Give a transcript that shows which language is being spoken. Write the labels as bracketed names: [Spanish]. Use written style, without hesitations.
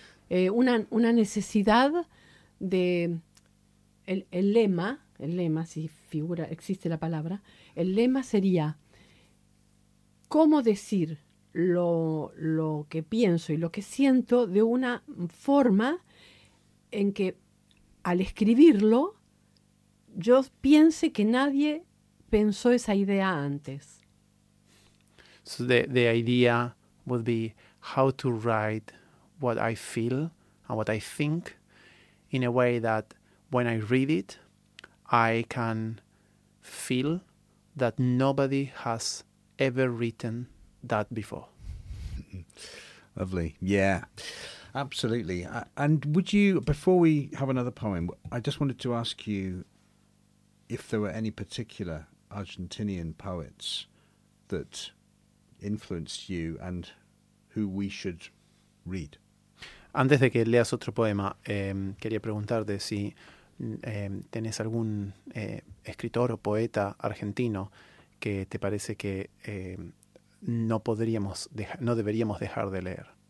[Spanish] una necesidad de el lema, si figura, existe la palabra, el lema sería cómo decir lo que pienso y lo que siento de una forma en que al escribirlo yo piense que nadie pensó esa idea antes. [English] So the idea would be how to write what I feel and what I think in a way that when I read it, I can feel that nobody has ever written that before. Lovely. Yeah, absolutely. And would you, before we have another poem, I just wanted to ask you if there were any particular Argentinian poets that influenced you and who we should read. [Spanish] Antes de que leas otro poema, quería preguntarte si tenés algún escritor o poeta argentino que te parece que no deberíamos dejar de leer.